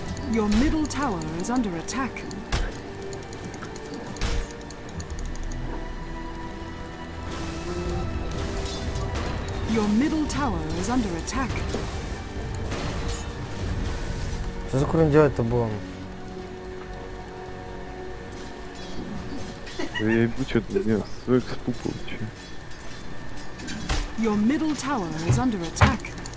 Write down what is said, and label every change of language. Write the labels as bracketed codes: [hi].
[en] Your middle tower is under attack. Your middle tower is under attack. [ru] Что за хрень делать-то было? Да я ебу чё-то сделал, свой экспу получил. [en] Your middle tower is under attack.